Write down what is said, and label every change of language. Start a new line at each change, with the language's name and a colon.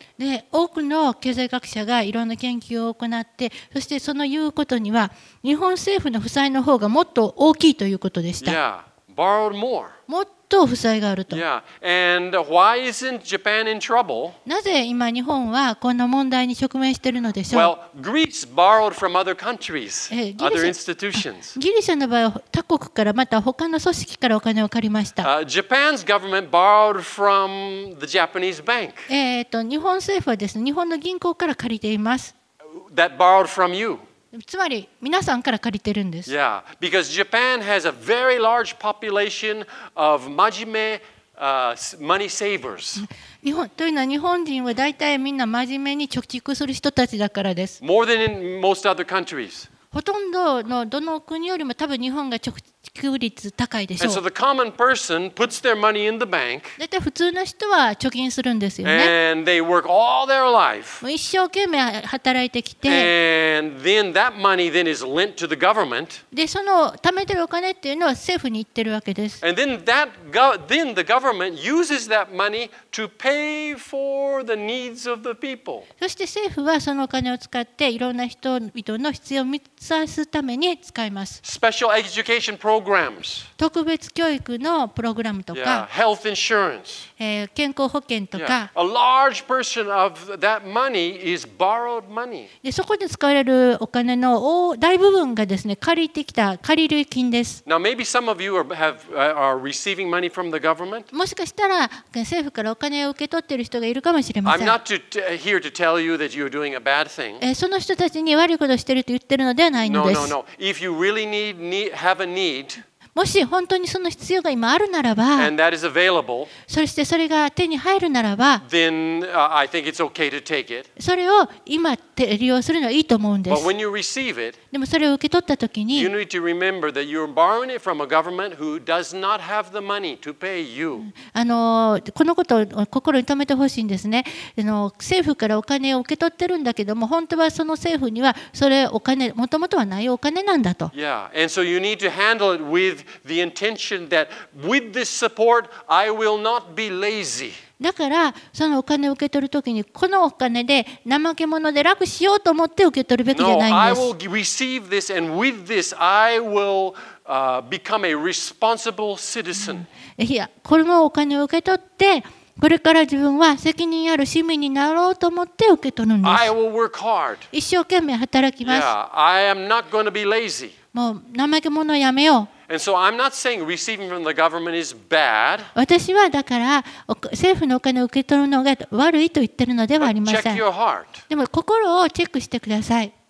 Japanese: で、多くの経済学者がいろんな研究を行って、そしてその言うことには、日本政府の負債の方がもっと大きいということでした。
English: Yeah, borrowed more.
Japanese: もっと負債があると。
English: Yeah, and why isn't Japan in trouble?
Japanese: なぜ今日本はこんな問題に直面しているのでしょう。
English: Well, Greece borrowed from other countries, other institutions.
Japanese: ギリシャの場合は他国からまた他の組織からお金を借りました。
English: Japan's government borrowed from the Japanese bank.
Japanese: 日本政府はですね、日本の銀行から借りています。
English: That borrowed from you.
Japanese: つまり皆さんから借りてるんです。
English: Yeah, because Japan has a very large population of 真面目、money savers.
Japanese: 日本というのは日本人は大体みんな真面目に貯蓄する人たちだからです。
English: More than in most other countries.
Japanese: ほとんどのどの国よりも多分日本が貯蓄率高いでしょう。
English: And so the common person puts their money in the bank.
Japanese: 大体普通の人は貯金するんですよね。
English: And they work all their life.
Japanese: 一生懸命働いてきて。
English: And then that money then is lent to the government.
Japanese: でその貯めてるお金っていうのは政府に行ってるわけです。
English: And then that then the government uses that money to pay for the needs of the people.
Japanese: そして政府はそのお金を使っていろんな人々の必要を満たすために使います。
English: Special education programs.
Japanese: 特別教育のプログラムとか。
English: Yeah, health insurance.
Japanese: 健康保険とか。
English: Yeah, a large portion of that money is borrowed money.
Japanese: でそこで使われるお金の大部分がですね、借りてきた借り累金です。
English: Now maybe some of you are receiving money from the government.
Japanese: もしかしたら政府からお金を受け取っている人がいるかもしれません。
English: I'm not here to tell you that you're doing a bad thing.
Japanese: その人たちに悪いことをしていると言ってるのではないんです。
English: No, no, no. If you really have a need.
Japanese: もし本当にその必要が今あるならば、
English: And that is available,
Japanese: そしてそれが手に入るならば、
English: then, I think it's okay to take it.
Japanese: それを今利用するのはいいと思うんです。
English: But when you receive it,
Japanese: でもそれを受け取った時に、
English: you need to remember that you're borrowing it from a government who does not have the money to pay you.
Japanese: このことを心に留めてほしいんですね。政府からお金を受け取ってるんだけども、本当はその政府にはそれお金、もともとはないお金なんだと。
English: Yeah, and so you need to handle it withThe intention that with this support, I will not be lazy.
Japanese: だからそのお金を受け取るときにこのお金で怠け者で楽しようと思って受け取るべきじゃないんです。
English: No, I will receive this, and with this, I will become a responsible citizen.
Japanese: いや、このお金を受け取って。これから自分は責任ある市民になろうと思って受け取るんです。
English: I will work hard.
Japanese: 一生懸命働きます。
English: Yeah, I am not going to be lazy.
Japanese: もう怠け者やめよう。
English: And so I'm not saying receiving from the government is bad.
Japanese: 私はだから政府のお金を受け取るのが悪いと言ってるのではありません。
English: But check your heart.
Japanese: でも心をチェックしてください。